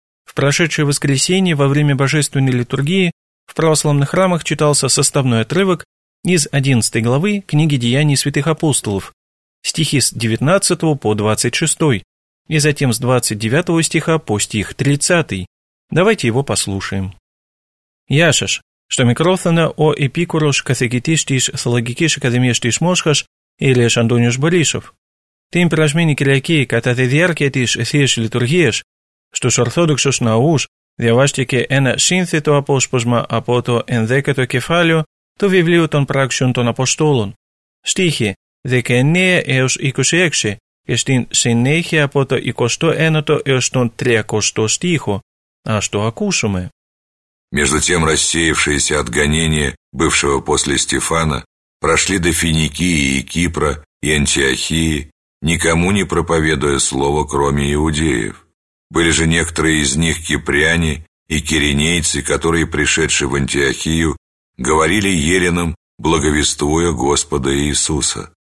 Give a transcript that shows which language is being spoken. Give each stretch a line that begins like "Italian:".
Russian: В прошедшее воскресенье во время Божественной Литургии в православных храмах читался составной отрывок из 11 главы книги Деяний Святых Апостолов, стихи с 19 по 26, и затем с 29 стиха по стих 30. Давайте его послушаем. Яшаш.
Greek: Στο μικρόφωνο ο επίκουρος καθηγητής της Θεολογικής Ακαδημίας της Μόσχας, Ηλίας Αντώνιος Μπολίσοφ. Την περασμένη Κυριακή, κατά τη διάρκεια της Θείας Λειτουργίας, στους Ορθόδοξους Ναούς διαβάστηκε ένα σύνθετο απόσπασμα από το 11ο κεφάλαιο του βιβλίου των Πράξεων των Αποστόλων, στίχοι 19 έως 26 και στην συνέχεια από το 21ο έως τον 30ο στίχο. Ας το ακούσουμε.
Russian: Между тем рассеявшиеся от гонения, бывшего после Стефана, прошли до Финикии и Кипра, и Антиохии, никому не проповедуя слово, кроме иудеев. Были же некоторые из них кипряне и киренейцы, которые, пришедшие в Антиохию, говорили еленам, благовествуя Господа Иисуса.